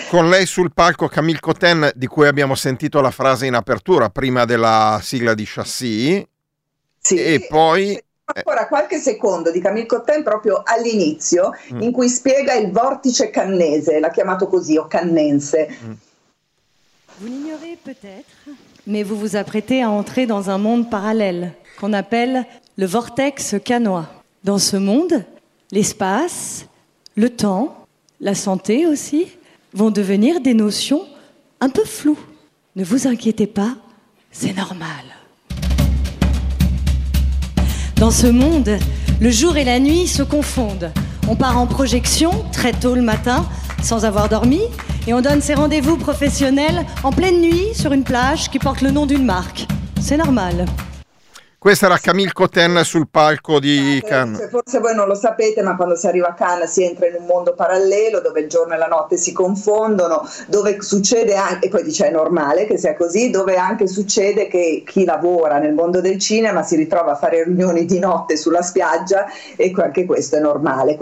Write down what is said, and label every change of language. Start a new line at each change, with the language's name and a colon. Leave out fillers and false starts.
Italian: Con lei sul palco Camille Cotin, di cui abbiamo sentito la frase in apertura prima della sigla di Chassis. Sì. E poi ancora qualche secondo di Camille Cotin proprio all'inizio, in cui spiega il vortice cannese, l'ha chiamato così, o cannense.
French: Vous l'ignorez peut-être, mais vous vous apprêtez à entrer dans un monde parallèle qu'on appelle le vortex cannois. Dans ce monde, l'espace, le temps, la santé aussi vont devenir des notions un peu floues. Ne vous inquiétez pas, c'est normal. Dans ce monde, le jour et la nuit se confondent. On part en projection très tôt le matin, sans avoir dormi, et on donne ses rendez-vous professionnels en pleine nuit sur une plage qui porte le nom d'une marque. C'est normal.
Italian: Questa era Camille Cotin sul palco di Cannes. Forse voi non lo sapete, ma quando si arriva a Cannes si entra in un mondo parallelo dove il giorno e la notte si confondono, dove succede anche, e poi dice è normale che sia così, dove anche succede che chi lavora nel mondo del cinema si ritrova a fare riunioni di notte sulla spiaggia, e anche questo è normale.